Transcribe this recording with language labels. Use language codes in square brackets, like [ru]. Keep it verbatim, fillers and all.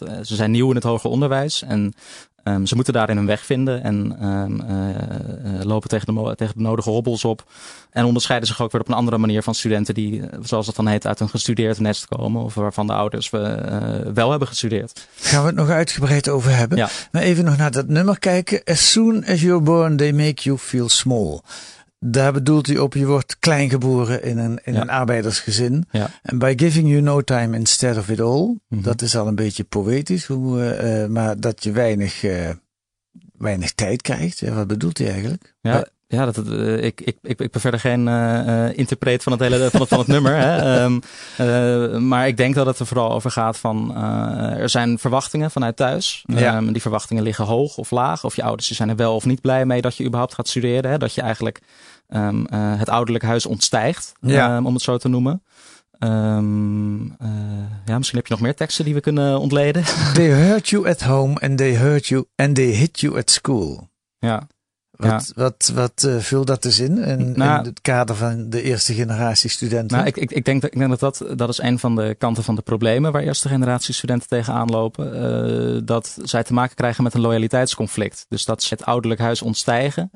[nl] Uh, ze zijn nieuw in het hoger onderwijs en um, ze moeten daarin hun weg vinden en um, uh, uh, lopen tegen de, mo- tegen de nodige hobbels op. En onderscheiden zich ook weer op een andere manier van studenten die, zoals dat dan heet, uit een gestudeerd nest komen. Of waarvan de ouders we, uh, wel hebben gestudeerd. Gaan we het nog uitgebreid over hebben. Ja. Maar even nog naar dat nummer kijken. [en] As soon as you're born, they make you feel small. [nl] Daar bedoelt hij op, je wordt klein geboren in een, in ja. een arbeidersgezin. En ja. [en] by giving you no time instead of it all. Mm-hmm. [nl] Dat is al een beetje poëtisch. Hoe, uh, maar dat je weinig, uh, weinig tijd krijgt. Ja, wat bedoelt hij eigenlijk? Ja. Maar, Ja, dat, uh, ik, ik, ik, ik ben verder geen uh, interpreet van het hele van het, van het nummer. Hè. Um, uh, maar ik denk dat het er vooral over gaat van uh, er zijn verwachtingen vanuit thuis. Ja. Um, die verwachtingen liggen hoog of laag. Of je ouders die zijn er wel of niet blij mee dat je überhaupt gaat studeren. Hè. Dat je eigenlijk um, uh, het ouderlijk huis ontstijgt, ja. um, om het zo te noemen. Um, uh, ja, misschien heb je nog meer teksten die we kunnen ontleden. [en] They hurt you at home and they hurt you and they hit you at school. [nl] Ja. Wat, ja. wat, wat uh, vult dat dus in, in, nou, in het kader van de eerste generatie studenten? Nou, ik, ik, ik denk, dat, ik denk dat, dat dat is een van de kanten van de problemen waar eerste generatie studenten tegenaan lopen. Uh, dat zij te maken krijgen met een loyaliteitsconflict. Dus dat ze het ouderlijk huis ontstijgen.